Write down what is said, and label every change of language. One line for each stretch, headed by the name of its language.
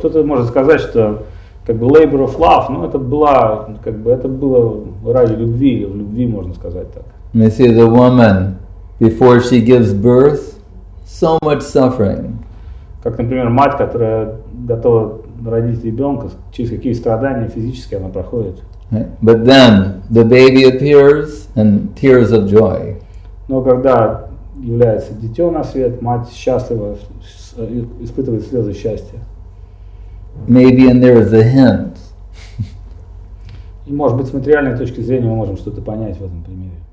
Russian: Кто-то может сказать, что как бы
English: labor of love,
Russian: ну это была, как бы это было ради любви, в любви можно сказать так.
English: You see, the woman, before she gives birth, so much suffering.
Russian: Как, например, мать, которая готова родить ребенка, через какие страдания физически она проходит.
English: But then the baby appears and tears of joy.
Russian: Но когда является дитё на свет, мать счастлива, испытывает слезы счастья.
English: Maybe and there is a hint.
Russian: И, может быть, с материальной точки зрения мы можем что-то понять в этом примере.